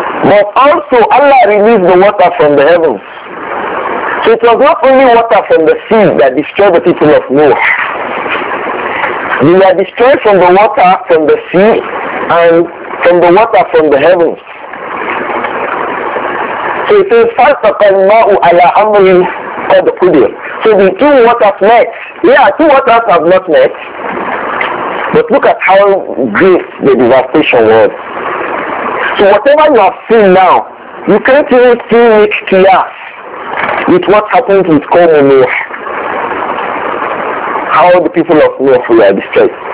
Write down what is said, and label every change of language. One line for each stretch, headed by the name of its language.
English: But also Allah released the water from the heavens. So it was not only water from the sea that destroyed the people of Noah. They were destroyed from the water from the sea and from the water from the heavens. So it says,
Arabic: فَالْتَقَلْمَاءُ عَلَىٰ أَمْرِ قَدْ قُدِرْ.
English: So the two waters met. Yeah, two waters have not met. But look at how great the devastation was. So whatever you have seen now, you can't even still make clear with what happened with Qawm Nuh, how the people of Nuh were destroyed.